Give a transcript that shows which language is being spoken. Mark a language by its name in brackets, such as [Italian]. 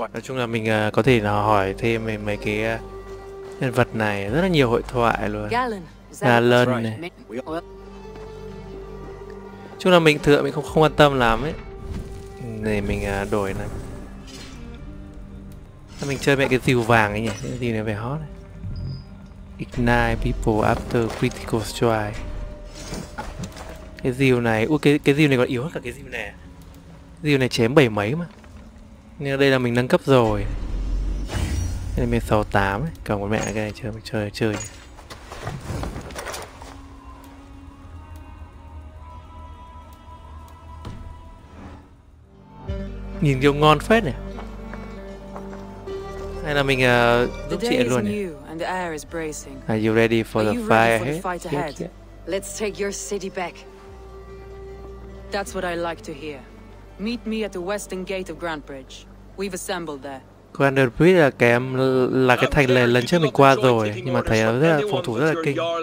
[Vietnamese] Nói chung là mình có thể là hỏi thêm về mấy cái nhân vật này, rất là nhiều hội thoại luôn. Galen này. Chung là mình thừa mình không quan tâm lắm ấy. Để mình đổi này. Mình chơi mẹ cái diều vàng ấy nhỉ, cái gì này về hot này. [English] Ignite people after critical strike. [Vietnamese] Cái diều này, ui cái diều này còn yếu hơn cả cái diều này. Diều này chém bảy mấy mà. Nhưng đây là mình nâng cấp rồi. Đây là 168 ấy, cầm một mẹ cái này chơi, chơi nhỉ. Nhìn kiểu ngon phết này. Hay là mình giúp chị luôn nhỉ? [English] Are you ready for the fight ahead? Let's take your city back. That's what I like to hear. Meet me at the western gate of Grand Bridge. We've assembled there. [Vietnamese] Grand Bridge là cái thành lề lần trước mình qua rồi, nhưng mà thấy rất là phòng thủ rất là kinh.